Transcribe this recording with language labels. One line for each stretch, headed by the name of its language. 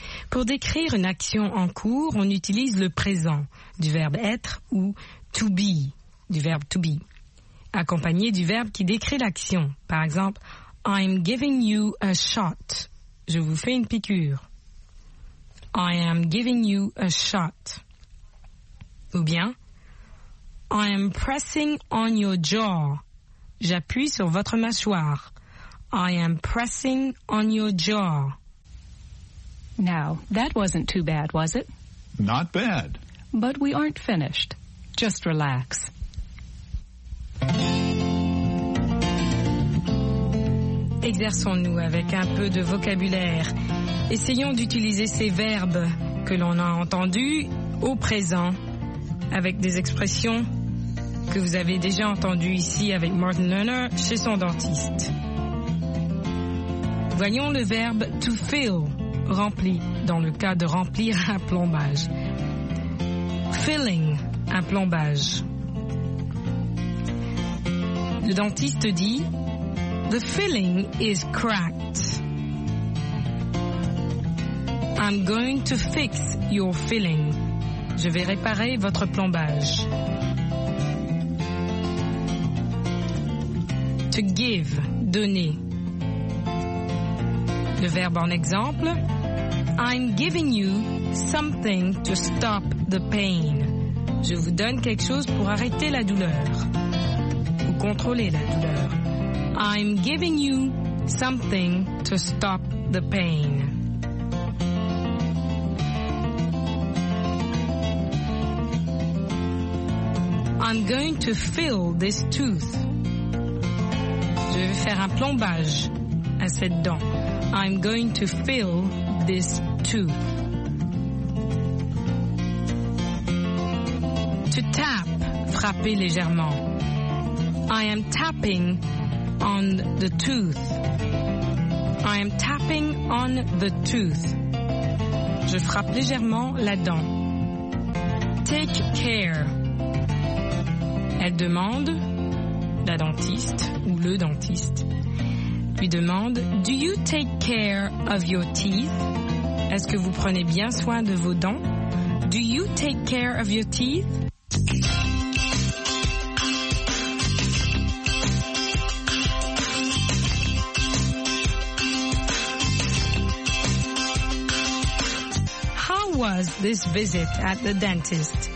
French: Pour décrire une action en cours, on utilise le présent du verbe être ou to be, du verbe to be, accompagné du verbe qui décrit l'action. Par exemple,
English: I'm giving you a shot.
French: Je vous fais une piqûre.
English: I am giving you a shot.
French: Ou bien,
English: I am pressing on your jaw.
French: J'appuie sur votre mâchoire.
English: I am pressing on your jaw. Now, that wasn't too bad, was it? Not bad. But we aren't finished. Just relax.
French: Exerçons-nous avec un peu de vocabulaire. Essayons d'utiliser ces verbes que l'on a entendus au présent avec des expressions que vous avez déjà entendues ici avec Martin Lerner chez son dentiste. Voyons le verbe to fill, rempli, dans le cas de remplir un plombage. Filling, un plombage. Le dentiste dit,
English: the filling is cracked. I'm going to fix your filling.
French: Je vais réparer votre plombage.
English: To give,
French: donner. Le verbe en exemple,
English: I'm giving you something to stop the pain.
French: Je vous donne quelque chose pour arrêter la douleur ou contrôler la douleur.
English: I'm giving you something to stop the pain. I'm going to fill this tooth.
French: Je vais faire un plombage à cette dent.
English: I'm going to fill this tooth. To tap,
French: frapper légèrement.
English: I am tapping on the tooth. I am tapping on the tooth.
French: Je frappe légèrement la dent.
English: Take care.
French: Elle demande, la dentiste ou le dentiste, lui demande,
English: do you take care of your teeth?
French: Est-ce que vous prenez bien soin de vos dents?
English: Do you take care of your teeth? How was this visit at the dentist?